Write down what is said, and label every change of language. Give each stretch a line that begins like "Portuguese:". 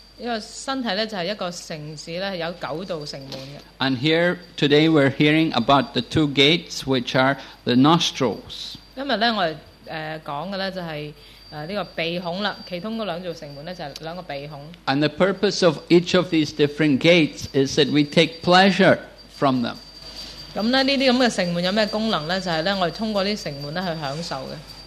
Chinese: 这个身体就是一个城市，有九道城门的。
English: And here today we're hearing about the two gates, which are the nostrils.
Chinese: 今天我讲的就是这个鼻孔，其中的两道城门就是两个鼻孔。
English: And the purpose of each of these different gates is that we take pleasure from them.
Chinese: 这些城门有什么功能呢？就是我们通过这些城门去享受的。